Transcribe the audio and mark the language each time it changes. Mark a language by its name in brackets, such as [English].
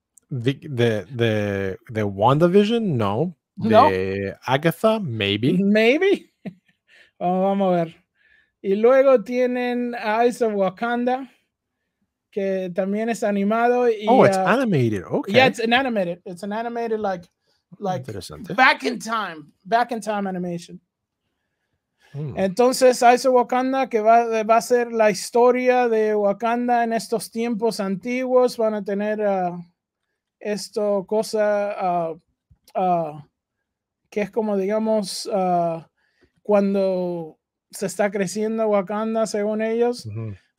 [Spanish] ¿De WandaVision? No. ¿De Agatha? Maybe. [English] Maybe. Oh, [Spanish] vamos a ver. Y luego tienen Eyes of Wakanda, que también es animado. Y, [English] it's animated. Okay. Yeah, it's an animated like back in time animation. [Spanish] Entonces, a ese Wakanda que va a ser la historia de Wakanda en estos tiempos antiguos, van a tener que es como digamos cuando se está creciendo Wakanda según ellos. Uh-huh.